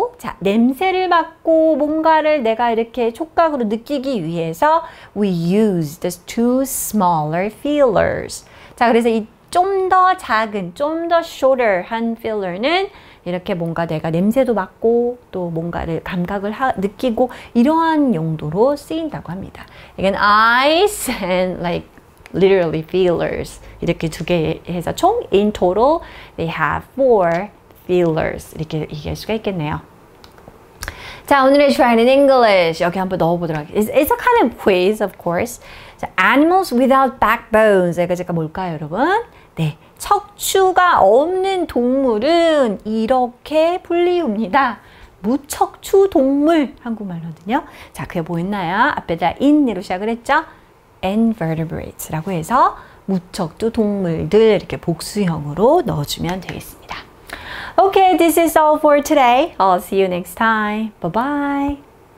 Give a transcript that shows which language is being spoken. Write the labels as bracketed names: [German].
[Korean] 자, 냄새를 맡고 뭔가를 내가 이렇게 촉각으로 느끼기 위해서 [English] we use the two smaller feelers. [Korean] 자, 그래서 이 좀 더 작은, 좀 더 shorter 한 feeler는 이렇게 뭔가 내가 냄새도 맡고 또 뭔가를 감각을 느끼고 이러한 용도로 쓰인다고 합니다. [English] Again, eyes and like literally feelers [Korean] 이렇게 두 개 해서 총 [English] in total they have four feelers [Korean] 이렇게 얘기할 수가 있겠네요. 자, 오늘의 try in English 여기 한번 넣어보도록 하겠습니다. [English] It's a kind of quiz, of course. So animals without backbones. [Korean] 그러니까 뭘까요, 여러분? 네, 척추가 없는 동물은 이렇게 불리웁니다. 무척추 동물, 한국말로는요. 자, 그게 뭐 있나요? 앞에다 in으로 시작을 했죠? invertebrates라고 해서 무척추 동물들 이렇게 복수형으로 넣어주면 되겠습니다. [English] Okay, this is all for today. I'll see you next time. Bye-bye.